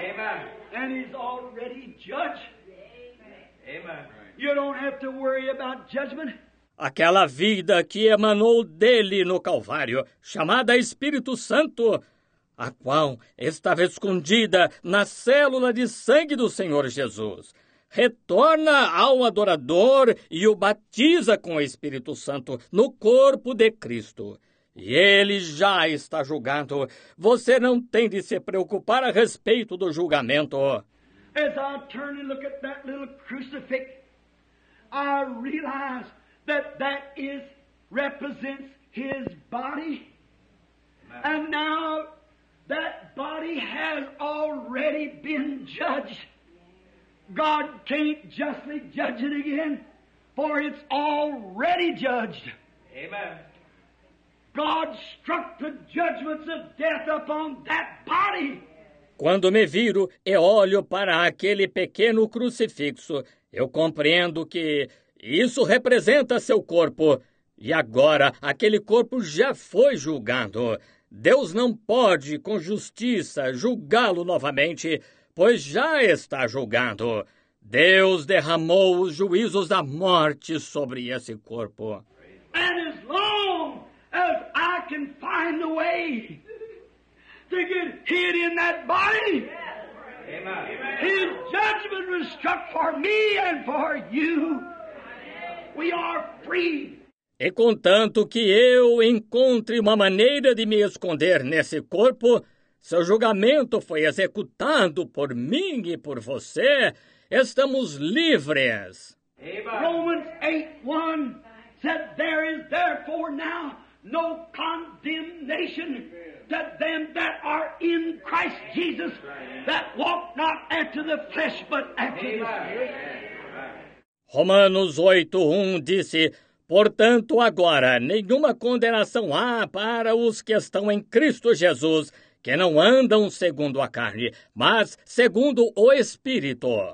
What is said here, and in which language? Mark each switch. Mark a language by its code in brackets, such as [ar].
[en] Amen. And he's already judged. Amen. You don't have to worry about judgment. [pt] Aquela vida que emanou dele no Calvário, chamada Espírito Santo, a qual estava escondida na célula de sangue do Senhor Jesus, retorna ao adorador e o batiza com o Espírito Santo no corpo de Cristo. E ele já está julgado. Você não tem de se preocupar a respeito do julgamento. [en] As I turn and look at that little crucifix, I realize that that is represents his body. And now that body has already been judged. God can't justly judge it again, for it's already judged. Amen. God struck the judgments of death upon that body. [pt] Quando me viro e olho para aquele pequeno crucifixo, eu compreendo que isso representa seu corpo. E agora, aquele corpo já foi julgado. Deus não pode, com justiça, julgá-lo novamente, pois já está julgando. Deus derramou os juízos da morte sobre esse corpo. [en] And as long as I can find a way to get hid in that body, his judgment was struck for me and for you. We are free. [pt] E contanto que eu encontre uma maneira de me esconder nesse corpo, seu julgamento foi executado por mim e por você. Estamos livres. [en] Romans 8:1 said there is therefore now no condemnation to them that are in Christ Jesus, that walk not after the flesh but after the Spirit. [pt] Romanos 8:1 disse: portanto, agora, nenhuma condenação há para os que estão em Cristo Jesus, que não andam segundo a carne, mas segundo o Espírito.